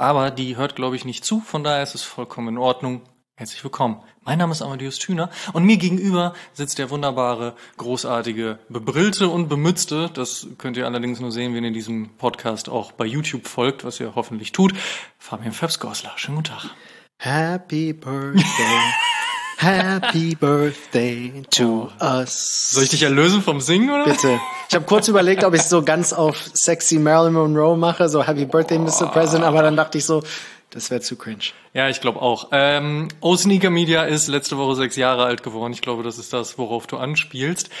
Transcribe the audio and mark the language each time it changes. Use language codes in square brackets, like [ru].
[de] Aber die hört, glaube ich, nicht zu, von daher ist es vollkommen in Ordnung. Herzlich willkommen. Mein Name ist Amadeus Thüner und mir gegenüber sitzt der wunderbare, großartige, bebrillte und bemützte, das könnt ihr allerdings nur sehen, wenn ihr diesem Podcast auch bei YouTube folgt, was ihr hoffentlich tut, Fabian Pfebs-Goslar. Schönen guten Tag. [en] Happy Birthday, happy Birthday to us. [de] Soll ich dich erlösen vom Singen, oder? Bitte. Ich habe kurz überlegt, ob ich so ganz auf sexy Marilyn Monroe mache, so [en] Happy Birthday, Mr. [de] President, aber dann dachte ich so, das wäre zu cringe. Ja, ich glaube auch. O-Sneaker Media ist letzte Woche 6 Jahre alt geworden. Ich glaube, das ist das, worauf du anspielst.